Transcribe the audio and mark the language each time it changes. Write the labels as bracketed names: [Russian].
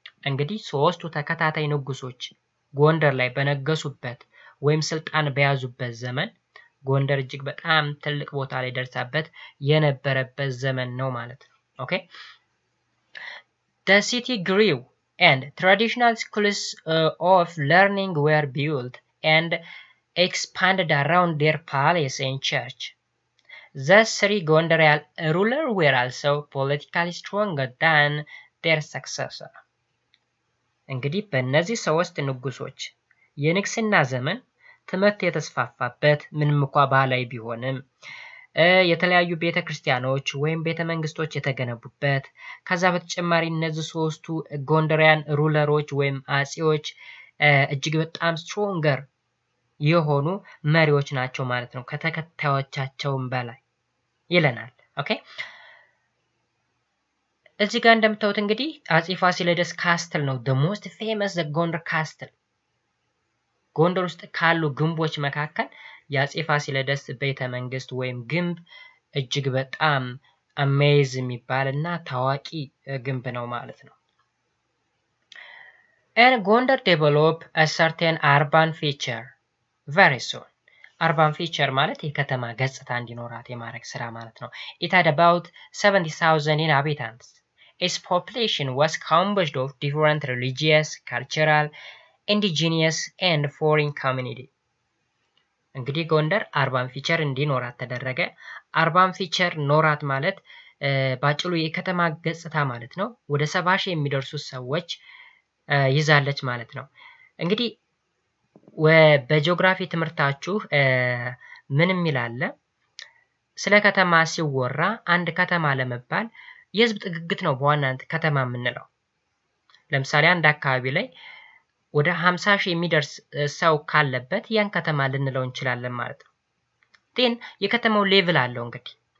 [Amharic] እንግዲህ ሶስቱ ተከታታይ ንጉሶች ጎንደር ላይ በነገሱበት ወይም ስልጣን በያዙበት ዘመን ጎንደር እጅግ በጣም ትልቅ ቦታ ላይ ደርሳበት የነበረበት ዘመን ነው ማለት ነው። ኦኬ [English] The city grew and traditional schools of learning were built and expanded around their palace and church. The three Gondarian rulers were also politically stronger than their successors. [Amharic] እንግዲህ በእነዚህ ሶስት ንጉሶች የንግስና ዘመን ትምህርት የተስፋፋበት ምንም እንኳን ባህላዊ ቢሆንም የተለያዩ ቤተ ክርስቲያኖች ወይም ቤተ መንግስቶች የተገነቡበት ከዛ በተጨማሪ እነዚህ ሶስቱ ጎንደሪያን ሩለሮች ወይም አጼዎች እጅግ በጣም ስትሮንገር የሆኑ መሪዎች ናቸው ማለት ነው። ከተከታዮቻቸውም በላይ ይለናል። ኦኬ እዚህ ጋር እንደምታዩት እንግዲህ አጼ ፋሲለደስ ካስትል ነው [English] the most famous the Gondar castle። [Amharic] ጎንደር ውስጥ ካሉ ግንቦች መካከል የአጼ ፋሲለደስ ቤተ መንግስት ወይም ግንብ እጅግ በጣም አሜዝ የሚባልና ታዋቂ ግንብ ነው ማለት ነው። [English] And Gondar developed a certain urban feature very soon. [Amharic] Urban feature ማለት የከተማ ገጽታ እንዲኖራት የማድረግ ስራ ማለት ነው። [English] It had about 70,000 inhabitants. Its population was composed of different religious, cultural, indigenous and foreign community. [Amharic] እንግዲህ ጎንደር አርባን ፊቸር እንዲኖራት ተደረገ። አርባን ፊቸር ኖራት ማለት ባጭሩ የከተማ ገጽታ ማለት ነው። ወደ 70,000 የሚደርሱ ሰዎች ይዛለች ማለት ነው። እንግዲህ በጂኦግራፊ ትምህርታችሁ ምንም ይላል ስለ ከተማ ሲወራ አንድ ከተማ ለመባል የህዝብ ጥግግት ነው በዋናነት ከተማ የምንለው። ለምሳሌ አንድ አካባቢ ላይ ወደ 50,000 የሚደርስ ሰው ካለበት ያን ከተማ ልንለው እንችላለን ማለት ነው። ግን የከተማው ሌቭል አለው እንግዲህ